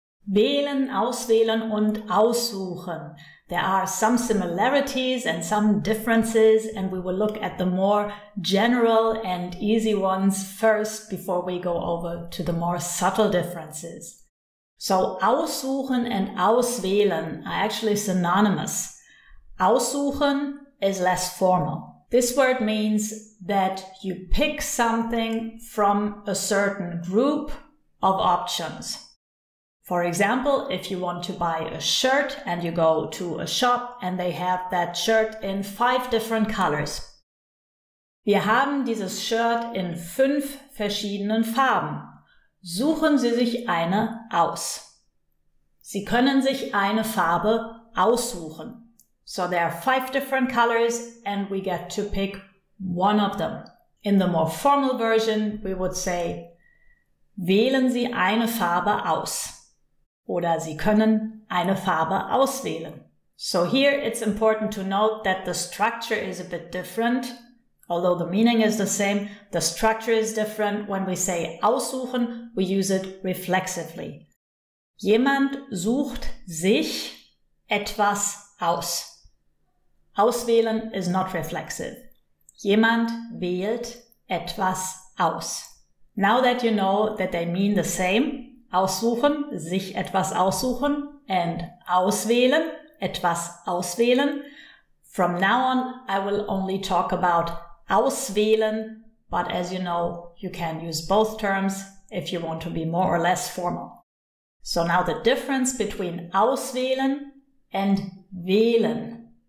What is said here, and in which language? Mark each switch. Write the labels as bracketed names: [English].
[German] Wählen, auswählen und aussuchen. [English] There are some similarities and some differences, and we will look at the more general and easy ones first before we go over to the more subtle differences. So, aussuchen and auswählen are actually synonymous. Aussuchen is less formal. This word means that you pick something from a certain group of options. For example, if you want to buy a shirt and you go to a shop and they have that shirt in 5 different colors. [German] Wir haben dieses Shirt in 5 verschiedenen Farben. Suchen Sie sich eine aus. Sie können sich eine Farbe aussuchen. [English] So there are 5 different colors and we get to pick one of them. In the more formal version, we would say, [German] wählen Sie eine Farbe aus. Oder Sie können eine Farbe auswählen. [English] So here it's important to note that the structure is a bit different. Although the meaning is the same, the structure is different. When we say aussuchen, we use it reflexively. [German] Jemand sucht sich etwas aus. [English] Auswählen is not reflexive. [German] Jemand wählt etwas aus. [English] Now that you know that they mean the same, aussuchen, sich etwas aussuchen, and auswählen, etwas auswählen. From now on, I will only talk about auswählen, but as you know, you can use both terms if you want to be more or less formal. So now the difference between auswählen and wählen.